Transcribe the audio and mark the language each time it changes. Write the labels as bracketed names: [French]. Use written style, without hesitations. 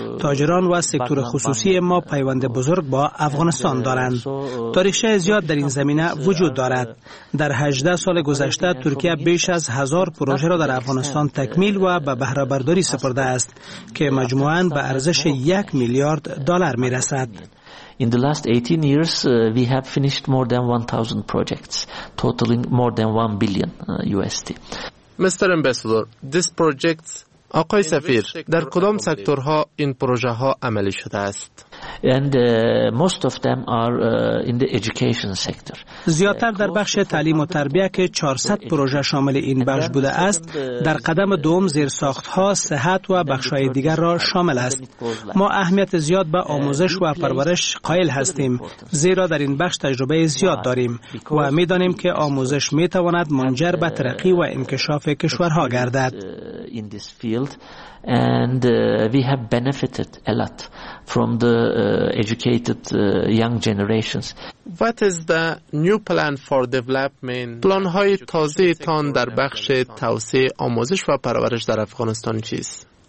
[Persian] تاجران و سکتور خصوصی ما پیوند بزرگ با افغانستان دارند. تاریخچه زیاد در این زمینه وجود دارد. در 18 سال گذشته ترکیه بیش از 1000 پروژه را در افغانستان تکمیل و به بهره برداری سپرده است که مجموعاً به ارزش 1 میلیارد دلار میرسد. [English] In the last 18 years we have finished more than 1000 projects totaling more than 1 billion USD. Mr. Ambassador, this projects [Persian] آقای سفیر، در کدام سکتورها این پروژه ها عملی شده است؟ [English] And most of them are in the education sector. [Persian] زیادتر در بخش تعلیم و تربیت که 400 پروژه شامل این بخش بوده است، در قدم دوم زیرساخت‌ها، صحت و بخش‌های دیگر را شامل است. ما اهمیت زیاد به آموزش و پرورش قائل هستیم، زیرا در این بخش تجربه زیاد داریم و می‌دانیم که آموزش می‌تواند منجر به ترقی و انکشاف کشورها گردد. [English] And we have benefited a lot from the educated young generations. What is the new plan for development? [Persian] پلان‌های تازه‌تان در بخش توسعه آموزش و پرورش در افغانستان چیست؟